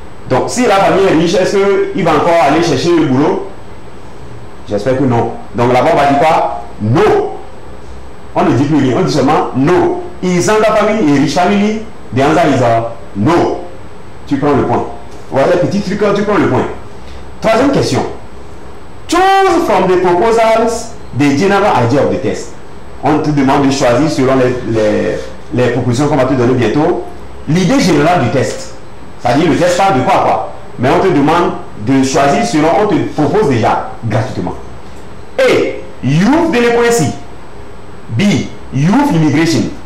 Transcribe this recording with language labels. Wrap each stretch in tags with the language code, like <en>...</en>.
<fr>Donc, si la famille est riche, est-ce qu'il va encore aller chercher le boulot? J'espère que non. Donc, là-bas, on va dire quoi? Non. On ne dit plus rien, on dit seulement non. Ils ont la famille, ils ont une riche famille, des enfants, non. Tu prends le point. Voilà, petit truc, tu prends le point. Troisième question.</fr> <en>Choose from the proposals, the general idea of the test.</en> <fr>On te demande de choisir selon les propositions qu'on va te donner bientôt, l'idée générale du test. C'est-à-dire, le test parle de quoi, quoi. Mais on te demande de choisir selon, on te propose déjà, gratuitement.</fr> <en>A. Youth delinquency. B. Youth immigration.</en>